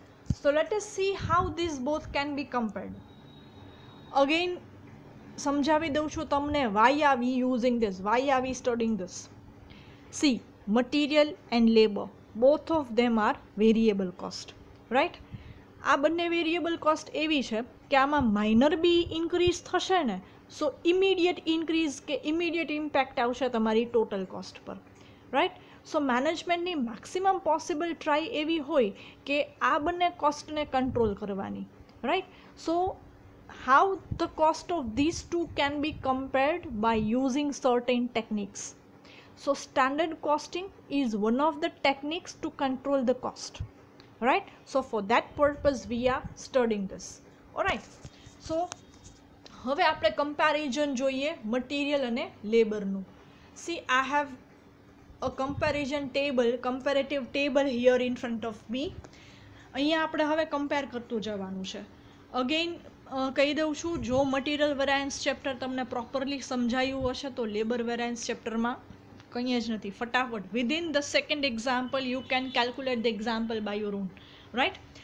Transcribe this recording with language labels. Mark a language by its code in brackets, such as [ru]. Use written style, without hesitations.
[en] So let us see how these both can be compared. Again, [gu] samjhavi dau chu tamne [en] why are we using this, why are we studying this. See, material and labor, both of them are variable cost, right? [gu] આ બંને variable cost એવી છે કે આમાં minor બી increase થશે ને, સો immediate increase કે immediate impact આવશે તમારી ટોટલ કોસ્ટ પર, રાઈટ? સો મેનેજમેન્ટની મેક્સિમમ પોસિબલ ટ્રાય એવી હોય કે આ બંને કોસ્ટને કંટ્રોલ કરવાની, right? [en] So how the cost of this two can be compared by using certain techniques. So standard costing is one of the techniques to control the cost, right? So for that purpose we are studying this, all right? [gu] So હવે આપણે comparison જોઈએ material અને લેબરનું. [en] See, I have a comparison table, comparative table here in front of me. [gu] અહીંયા આપણે હવે compare કરતું જવાનું છે. અગેઇન કહી દઉં છું, જો મટીરિયલ વેરાયન્સ ચેપ્ટર તમને પ્રોપરલી સમજાયું હશે તો લેબર વેરાયન્સ ચેપ્ટરમાં કંઈ જ નથી, ફટાફટ [en] within the second example you can calculate the example by your own, [gu] right?